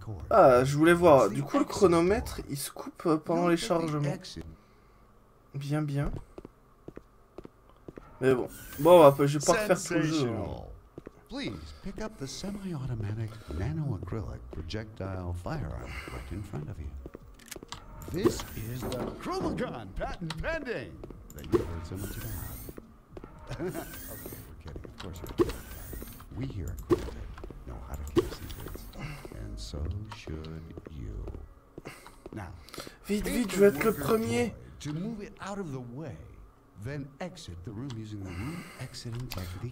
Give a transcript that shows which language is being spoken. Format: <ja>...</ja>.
<fr>Ah, je voulais voir. Du coup, le chronomètre, il se coupe pendant les chargements. Bien, bien. Mais bon, je vais pas refaire tout le jeu.</fr> <en>Please pick up the semi-automatic nano-acrylic projectile firearm right in front of you. This is the Chromagon patent pending that you heard so much about. Okay, we're kidding. Of course you're kidding. We here at Chromagon know how to keep secrets. And so should you.</en> <fr>Now, vite, vite, je vais être le premier.</fr> <en>To move it out of the way, then exit the room using the room exiting technique.</en>